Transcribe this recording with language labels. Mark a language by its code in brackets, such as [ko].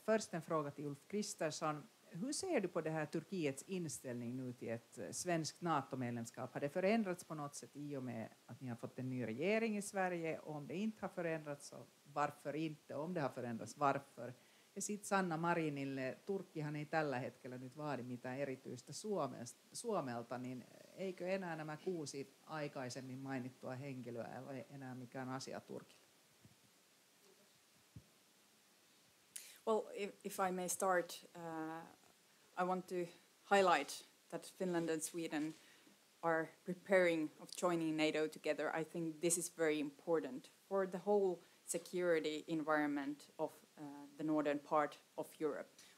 [sv] Först en fråga till Ulf Kristersson. Hur ser du på det här Turkiets inställning nu till ett svenskt NATO-medlemskap? Har det förändrats på något sätt i och med att ni har fått en ny regering i Sverige? Och om det inte har förändrats, så varför inte? Om det har förändrats, varför? [fi] Ja sitten Sanna Marinille, Turkkihan ei tällä hetkellä nyt vaadi mitään erityistä Suomelta, niin eikö enää nämä 6 aikaisemmin mainittua henkilöä ole enää mikään asia Turkille? [en] Well, if I may start, I want to highlight that Finland and Sweden are preparing of joining NATO together. I think this is very important for the whole security environment of the northern part of Europe.